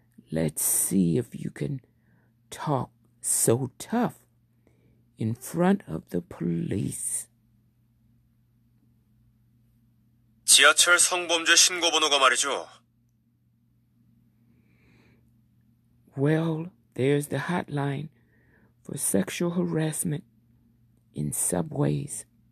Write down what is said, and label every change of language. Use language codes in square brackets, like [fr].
[en] Let's see if you can talk so tough in front of the police. [ko] 지하철 성범죄 신고 번호가 말이죠. [en] Well, there's the hotline for sexual harassment in subways.